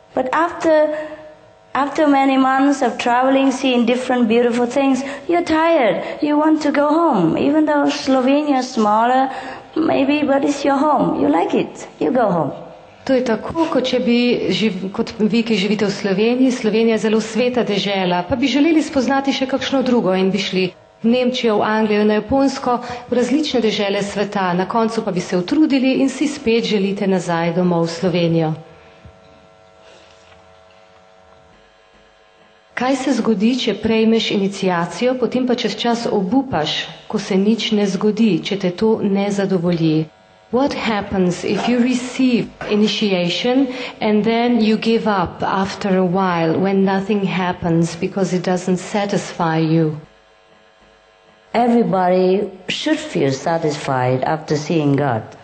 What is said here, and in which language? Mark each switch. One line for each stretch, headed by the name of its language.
English: But after many months of traveling, seeing different beautiful things, you're tired, you want to go home. Even though Slovenia is smaller, maybe, but it's your home, you like it, you go home.
Slovenian: To je tako, kot če bi, kot vi, ki živite v Sloveniji, Slovenija je zelo sveta dežela, pa bi želeli spoznati še kakšno drugo in bi šli v Nemčijo, v Anglijo, na Japonsko, v različne dežele sveta, na koncu pa bi se utrudili in si spet želite nazaj domov v Slovenijo. Kaj se zgodi, če prejmeš iniciacijo, potem pa čez čas obupaš, ko se nič ne zgodi, če te to ne zadovolji?
English: What happens if you receive initiation and then you give up after a while when nothing happens because it doesn't satisfy you? Everybody should feel satisfied after seeing God.